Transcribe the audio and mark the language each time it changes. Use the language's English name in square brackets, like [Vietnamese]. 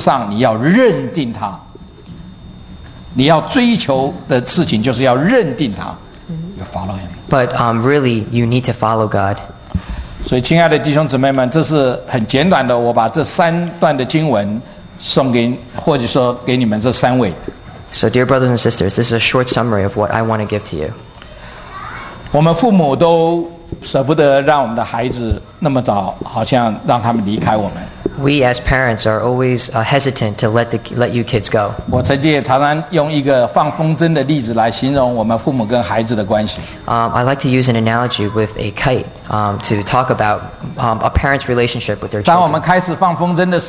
[Chinese] 可是在你一切所行的地上，事上你要认定他。你要追求的事情就是要认定他。 [English] You follow him. But really, you need to follow God. [Chinese] 所以亲爱的弟兄姊妹们, 这是很简短的, 我把这三段的经文送给，或者说给你们这三位。 [English] So dear brothers and sisters, this is a short summary of what I want to give to you. [Chinese] 我们父母都舍不得让我们的孩子那么早，好像让他们离开我们。 [English] We as parents are always hesitant to let you kids go. [Chinese] 我曾经也常常用一个放风筝的例子来形容我们父母跟孩子的关系。 [English] I like to use an analogy with a kite to talk about a parent's relationship with their children.